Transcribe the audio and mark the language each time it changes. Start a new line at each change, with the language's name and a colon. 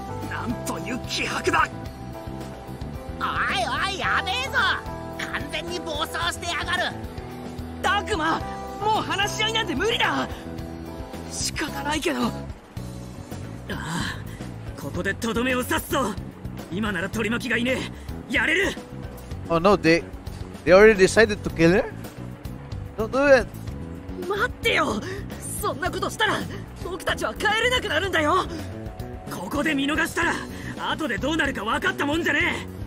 Japanese: なんという気迫だ。おいおい、やべえぞ。完全に暴走して上がる。ダークマン、もう話し合いなんて無理だ。仕方ないけど。ああ、ここで止めを刺すぞ。今なら取り巻きがいねえ。やれる。
English: Oh no, they already decided to kill her? Don't do it.
Japanese: 待ってよ。そんなことしたら僕たちは帰れなくなるんだよ。ここで見逃したら後でどうなるか分かったもんじゃねえ。